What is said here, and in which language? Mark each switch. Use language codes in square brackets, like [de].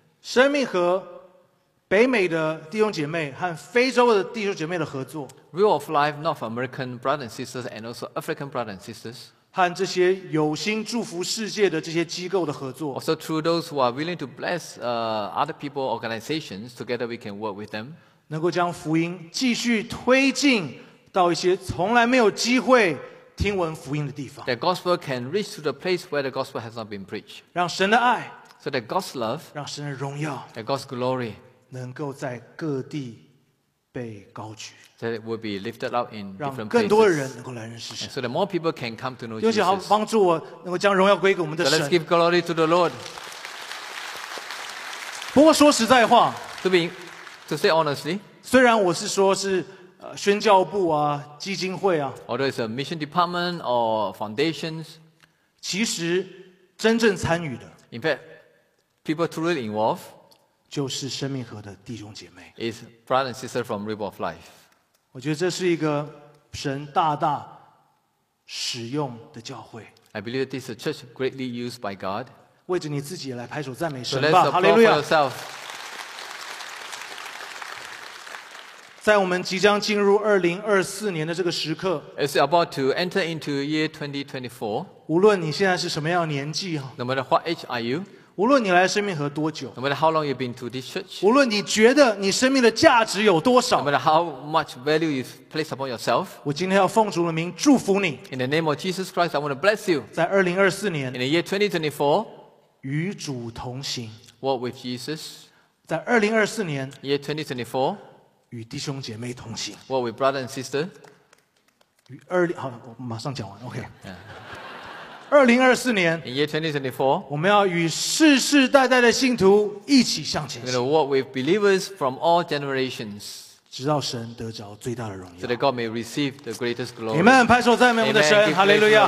[zh] 生命和北美的弟兄姐妹和非洲的弟兄姐妹的合作 [en] Real of life North American brothers and sisters and also African brothers and sisters [zh] 和这些有心祝福世界的这些机构的合作 [en] Also through those who are willing to bless other people organizations together we can work with them [zh] 能够将福音继续推进到一些从来没有机会听闻福音的地方。 [en] The gospel can reach to the place where the gospel has not been preached. [zh] 让神的爱 [en] ，so that God's love， [zh] 让神的荣耀 [en] ，that God's glory， [zh] 能够在各地被高举。 [en] That it will be lifted up in different places. [zh] 让更多的人能够来认识神。 [en] So that more people can come to know Jesus. [zh] 愿神帮助我，能够将荣耀归给我们的神。 [en] So let's give glory to the Lord. [zh] 不过说实在话 [en] ，to be To say honestly, [zh] 虽然我是说是宣教部啊，基金会啊 [en] ，although it's a mission department or foundations, [zh] 其实真正参与的 [en] ，in fact, people truly involved, [zh] 就是生命河的弟兄姐妹 [en] ，is brother and sister from River of Life。 [zh] 我觉得这是一个神大大使用的教会。 [en] I believe this is a church greatly used by God。 [zh] 为着你自己来拍手赞美神吧，哈利路亚。在我们即将进入2024年的这个时刻 [en] ，It's about to enter into year 2024. [zh] 无论你现在是什么样的年纪 [en] ，No matter what age are you. [zh] 无论你来生命河多久 [en] ，No matter how long you've been to this church. [zh] 无论你觉得你生命的价值有多少 [en] ，No matter how much value you place upon yourself. [zh] 我今天要奉主的名祝福你 [en] ，In the name of Jesus Christ, I want to bless you. [zh] 在2024年 [en] ，In the year 2024, [zh] 与主同行 [en] ，Walk with Jesus. [zh] 在2024年 [en] ，Year 2024. [zh] 与弟兄姐妹同行。 [en] What with brother and sister? [zh] 与二零好了，我马上讲完。 OK。 2024年 [en] ，In year 2024， [zh] 我们要与世世代代的信徒一起向前行。 [en] We're going to walk with believers from all generations， [zh] 直到神得着最大的荣耀。 [en] So that God may receive the greatest glory。 [zh] 你们拍手赞美我们的神，哈利路亚。